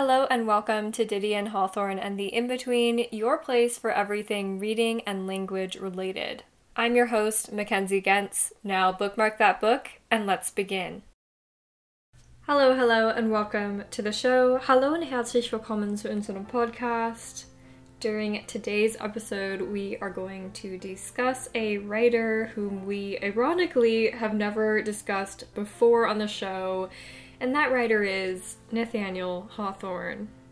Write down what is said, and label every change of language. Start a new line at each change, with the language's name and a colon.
English: and welcome to Diddy and Hawthorne and the In-Between, your place for everything reading and language related. I'm your host, Mackenzie Gentz. Now bookmark that book and let's begin. Hello, hello, and welcome to the show.
German: Hallo und herzlich willkommen zu unserem Podcast.
English: During today's episode, we are going to discuss a writer whom we ironically have never discussed before on the show, and that writer is Nathaniel Hawthorne.